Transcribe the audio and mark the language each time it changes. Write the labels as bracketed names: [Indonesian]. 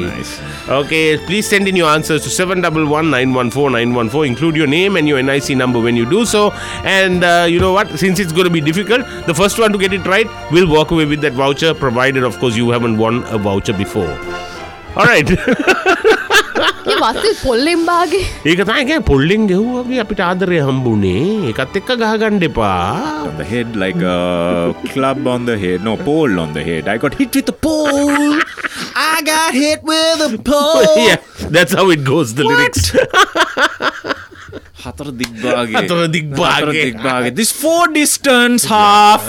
[English] Nice. Okay, please send in your answers to 711-914-914. Include your name and your NIC number when you do so. And you know what? Since it's going to be difficult, the first one to get it right will walk away with that voucher, provided, of course, you haven't won a voucher before. All right. [Sinhala] ඒක තමයි කියන්නේ පොල්ලෙන් ගෙව්වාගේ අපිට ආදරය හම්බුනේ ඒකත් එක්ක ගහගන්න එපා. [English] On the head like a club on the head. No, pole on the head. I got hit with a pole. I got hit with a pole. Yeah, that's how it goes, the lyrics. Hatar digbage. This four distance half.